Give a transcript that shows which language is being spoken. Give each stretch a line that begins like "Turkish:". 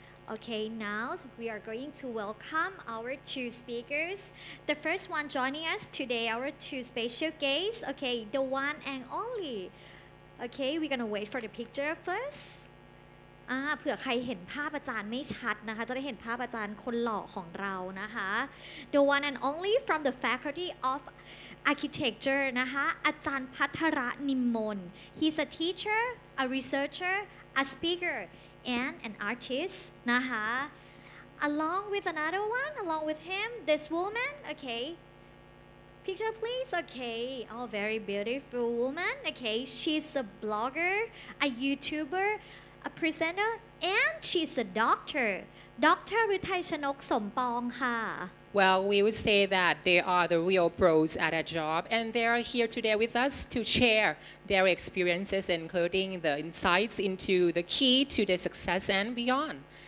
English: Okay, now we are going to welcome our two speakers. The first one joining us today, our two special guests. Okay, the one and only. Okay, we're gonna wait for the picture first.
Thai: เผื่อใครเห็นภาพอาจารย์ไม่ชัดนะคะจะได้เห็นภาพอาจารย์คนหล่อของเรานะคะ
English: The one and only from the Faculty of Architecture นะคะอาจารย์พัทระนิมมน He's a teacher, a researcher, a speaker, and an artist นะคะ Along with another one, along with him, this woman, okay Picture please, okay Oh, very beautiful woman, okay She's a blogger, a YouTuber,A presenter and she's a doctor. Dr. Ruthai Chanok Som Pong ha. Well, we would say that they are the real pros at a job and they are here today with us to share their experiences, including the insights into the key to their success and beyond.